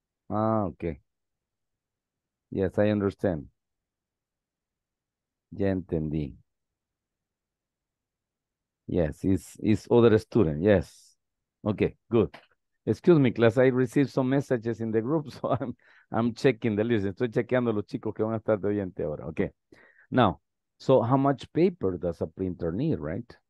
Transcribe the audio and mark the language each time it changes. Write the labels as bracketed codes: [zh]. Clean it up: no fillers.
[en] Ah, okay. Yes, I understand. [es] Ya entendí. [en] Yes, it's other student. Yes. Okay, good. Excuse me, class. I received some messages in the group, so I'm checking the list. [es] Estoy chequeando los chicos que van a estar de oyente ahora. [en] Okay. Now, so how much paper does a printer need, right?